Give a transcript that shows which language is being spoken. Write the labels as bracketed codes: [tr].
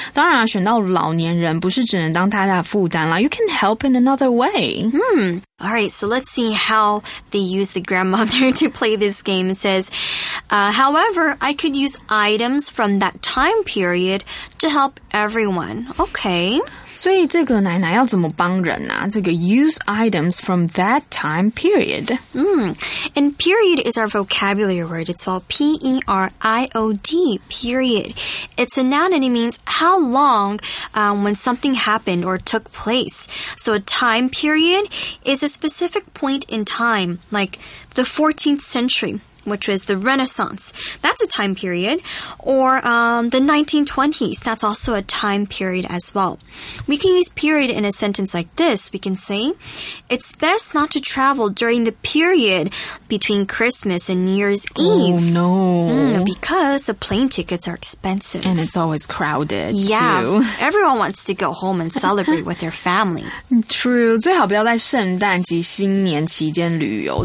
[zh] 当然啊，选到老年人不是只能当他的负担啦。 [en] You can help in another way. All right, so let's see how they use the grandmother to play this game. It says, however, I could use items from that time period to help everyone. Okay. [zh] 所以这个奶奶要怎么帮人啊？这个 [en] use items from that time period. And period is our vocabulary word. It's called P-E-R-I-O-D, period. It's a noun and it means how long, when something happened or took place. So a time period is a specific point in time, like the 14th century. Which was the Renaissance. That's a time period. Or the 1920s. That's also a time period as well. We can use period in a sentence like this. We can say, it's best not to travel during the period between Christmas and New Year's Eve. Oh, no. Because the plane tickets are expensive. And it's always crowded, yeah, too. Yeah, everyone wants to go home and celebrate with their family. True. [zh] 最好不要在圣诞及新年期间旅游。